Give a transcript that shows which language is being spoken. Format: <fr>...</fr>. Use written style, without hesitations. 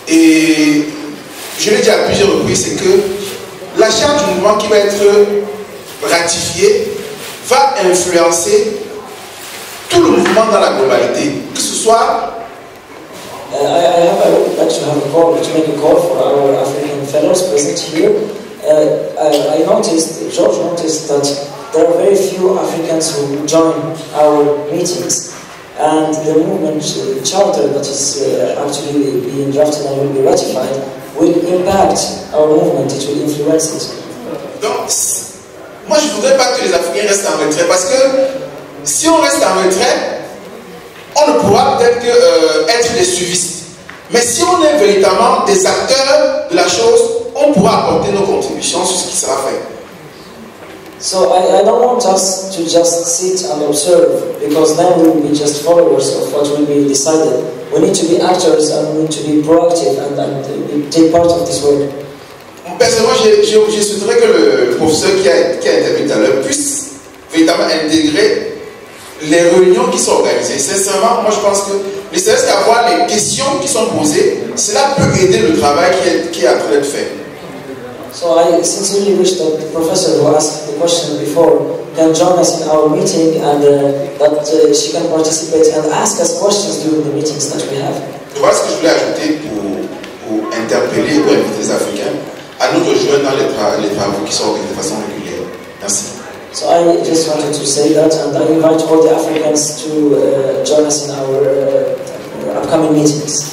<fr>Et je l'ai dit à plusieurs reprises, c'est que la charte du mouvement qui va être ratifiée va influencer tout le mouvement dans la globalité, que ce soit.</fr> <en>I would like to have a call, to make a call for our African fellows present here. George noticed that there are very few Africans who join our meetings. And the movement charter that is actually being drafted and will be ratified will impact our movement, it will influence it.</en> <fr>avance. Moi, je ne voudrais pas que les Africains restent en retrait, parce que si on reste en retrait, on ne pourra peut-être que, être des suivistes. Mais si on est véritablement des acteurs de la chose, on pourra apporter nos contributions sur ce qui sera fait.</fr> <en>So I don't want us to just sit and observe, because then we will be just followers of what will be decided. We need to be actors and we need to be proactive and be, take part of this work.</en> <fr>Personnellement, je souhaiterais que le professeur qui a intervenu tout à l'heure puisse véritablement intégrer les réunions qui sont organisées. Sincèrement, moi je pense que le service d'avoir les questions qui sont posées, cela peut aider le travail qui est en train d'être fait.</fr> <en>So I sincerely wish that the professor who asked the question before can join us in our meeting and she can participate and ask us questions during the meetings that we have.</en> <fr>Tu vois ce que je voulais ajouter pour interpeller ou inviter les Africains à nous rejoindre dans les travaux qui sont organisés de façon régulière. Merci.</fr> <en>So I just wanted to say that and I invite all the Africans to join us in our upcoming meetings.</en>